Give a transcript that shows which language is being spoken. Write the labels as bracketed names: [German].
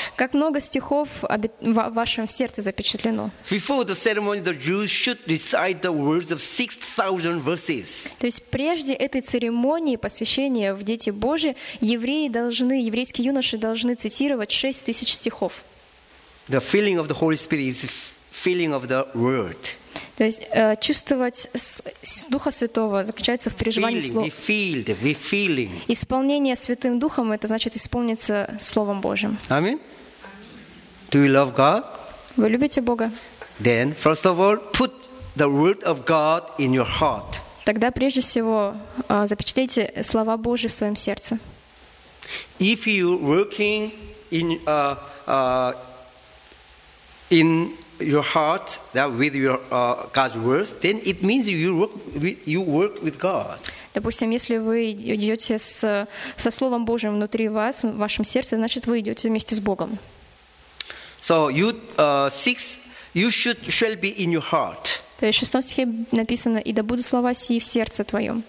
[Russian] Как много стихов в вашем сердце запечатлено. [English] Before the ceremony, the Jews should recite the words of 6,000 verses. [Russian] То есть прежде этой церемонии посвящения в дети Божьи евреи должны, еврейские юноши должны цитировать 6000 стихов. [English] The filling of the Holy Spirit is filling of the word. [Russian] То есть чувствовать Духа Святого заключается в переживании слова. [English] We feel. [Russian] Исполнение Святым Духом это значит исполниться Словом Божьим. [English] Аминь. Do you love God? [Russian] Вы любите Бога? [English] Then, first of all, put the word of God in your heart. [Russian] Тогда прежде всего запечатлите слова Божьи в своем сердце. [English] If you working in your heart that with your God's words, then it means you work with God. [Russian] Допустим, если вы идете со Словом Божьим внутри вас, в вашем сердце, значит, вы идете вместе с Богом. [English] So you six, you shall be in your heart. [Russian] То есть в шестом стихе написано: «И да будут слова сии в сердце твоем».